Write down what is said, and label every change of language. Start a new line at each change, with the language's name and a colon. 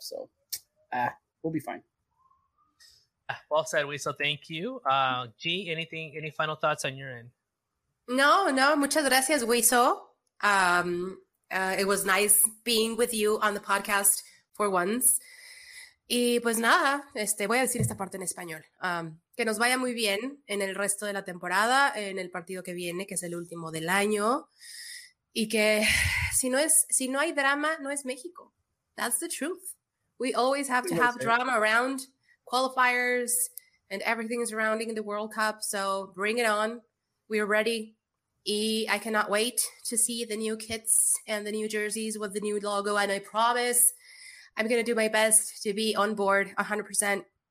English: So, we'll be fine. Well said, Wiso. Thank you. G, anything, any final thoughts on your end?
Spanish: No. Muchas gracias, Wiso.
English: It was nice being with you on the podcast for once.
Spanish: Y pues nada, voy a decir esta parte en español. Que nos vaya muy bien en el resto de la temporada, en el partido que viene, que es el último del año. Y que si no hay drama, no es México.
English: That's the truth. We always have to have drama around qualifiers and everything surrounding the World Cup. So bring it on. We are ready. Y I cannot wait to see the new kits and the new jerseys with the new logo. And I promise I'm going to do my best to be on board 100%.